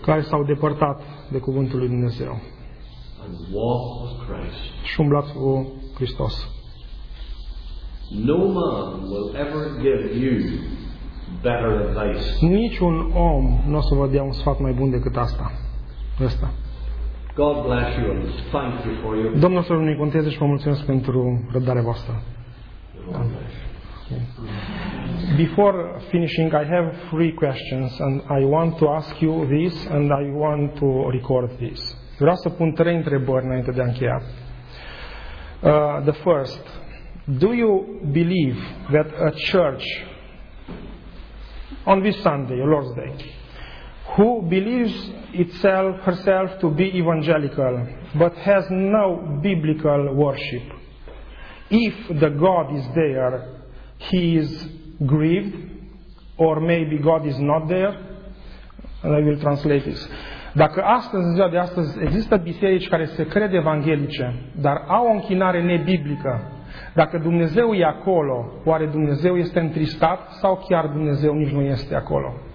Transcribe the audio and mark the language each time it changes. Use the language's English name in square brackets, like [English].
[Romanian] Care s-au depărtat de cuvântul lui Dumnezeu. [English] And walk with Christ. [Romanian] Și umblați cu Hristos. [English] No man will ever give you better advice. [Romanian] Niciun om nu o să vă dea un sfat mai bun decât asta. Ăsta. [English] God bless you and thank you for your. [Romanian] Domnul să vă binecuvânteze și vă mulțumesc pentru răbdarea voastră. [English] Before finishing, I have three questions and I want to ask you this and I want to record this. [Romanian] Vreau să pun trei întrebări înainte de a încheia. [English] The first, do you believe that a church on this Sunday, Lord's Day, who believes itself herself to be evangelical but has no biblical worship, if the God is there, he is grieved, or maybe God is not there? And I will translate this. [Romanian] Dacă astăzi, în ziua de astăzi, există biserici care se cred evanghelice, dar au o închinare nebiblică, dacă Dumnezeu e acolo, oare Dumnezeu este întristat sau chiar Dumnezeu nici nu este acolo?